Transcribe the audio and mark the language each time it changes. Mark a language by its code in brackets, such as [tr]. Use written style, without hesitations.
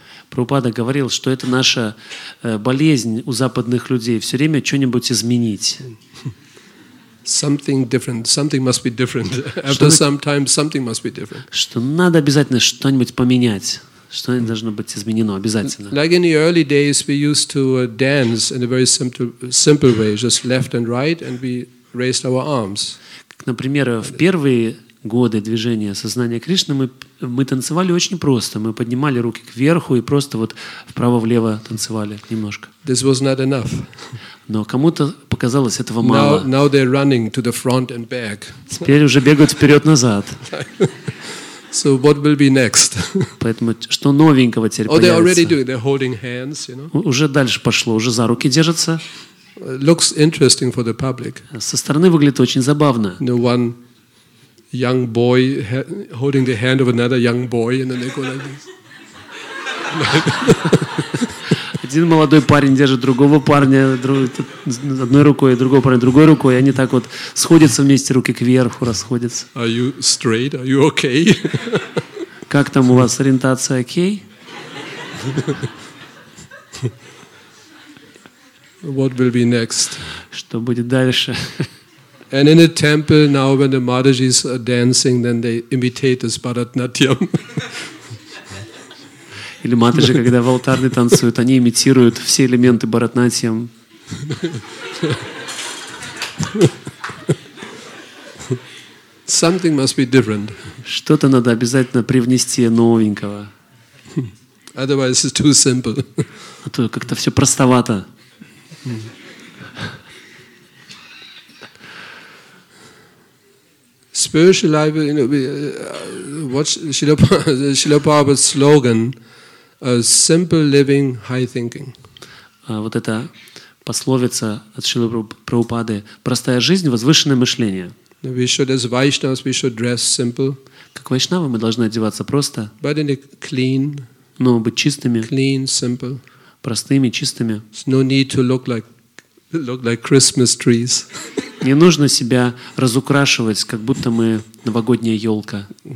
[ru] Прабхупада говорил, что это наша болезнь у западных людей, все время что-нибудь изменить. [en] Something different. Something must be different. After some time, something must be different. [ru] Что надо обязательно что-нибудь поменять. Что-нибудь должно быть изменено обязательно. [en] Like in the early days, we used to dance in a very simple way, just left and right, and we raised our arms. [ru] Например, в первые годы движения сознания Кришны мы танцевали очень просто. Мы поднимали руки кверху и просто вот вправо-влево танцевали немножко. [en] This was not enough. [ru] Но кому-то показалось этого мало. [en] Now they're running to the front and back. [ru] Теперь уже бегают вперед-назад. [en] So what will be next? [ru] Поэтому что новенького теперь появится? [en] Oh, they're already doing. They're holding hands, you know? [ru] Уже дальше пошло, уже за руки держатся. [en] Looks interesting for the public. [ru] Со стороны выглядит очень забавно. [en] No one young boy holding the hand of another young boy and then they go like this. [ru] Один молодой парень держит другого парня одной рукой, другого парня другой рукой, и они так вот сходятся вместе, руки кверху расходятся. [en] Are you straight? Are you okay? [ru] Как там у вас ориентация, окей? [en] What will be next? [ru] Что будет дальше? [en] And in a temple now when the Madhajis are dancing, then they imitate this Bharatanatyam. [ru] Или матаджи, когда в алтарне танцуют, они имитируют все элементы Бхаратнатьям. [en] Something must be different. [ru] Что-то надо обязательно привнести новенького. [en] Otherwise it's too simple. [ru] А то как-то все простовато. [en] Spiritual life, you know, what's Srila Prabhupada's slogan? Simple living, high thinking. [ru] Вот эта пословица от Шрилы Прабхупады: простая жизнь, возвышенное мышление. [en] We should, as Vaishnavas, we should dress simple. [ru] Как вайшнавы мы должны одеваться просто. [en] But in a clean. [ru] Но быть чистыми. [en] Clean, simple. [ru] Простыми, чистыми. [en] No need to look like Christmas trees. [ru] Не нужно себя разукрашивать, как будто мы новогодняя елка.